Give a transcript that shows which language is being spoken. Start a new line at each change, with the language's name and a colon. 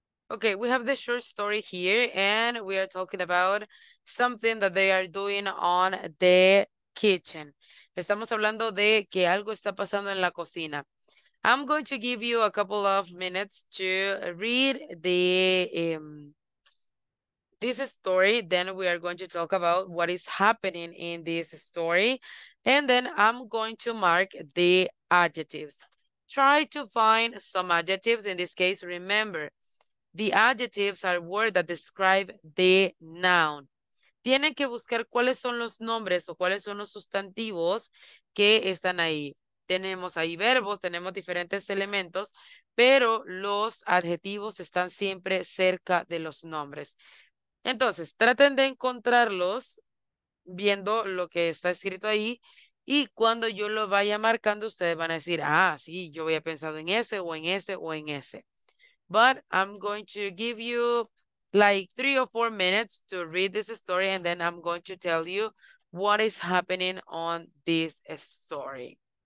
English: Okay, we have the short story here, and we are talking about something that they are doing on the kitchen.
Spanish: Estamos hablando de que algo está pasando en la cocina.
English: I'm going to give you a couple of minutes to read the this story. Then we are going to talk about what is happening in this story. And then I'm going to mark the adjectives. Try to find some adjectives. In this case, remember, the adjectives are words that describe the noun.
Spanish: Tienen que buscar cuáles son los nombres o cuáles son los sustantivos que están ahí. Tenemos ahí verbos, tenemos diferentes elementos, pero los adjetivos están siempre cerca de los nombres. Entonces, traten de encontrarlos viendo lo que está escrito ahí y cuando yo lo vaya marcando, ustedes van a decir, ah, sí, yo había pensado en ese o en ese o en ese.
English: But I'm going to give you like 3 or 4 minutes to read this story and then I'm going to tell you what is happening on this story.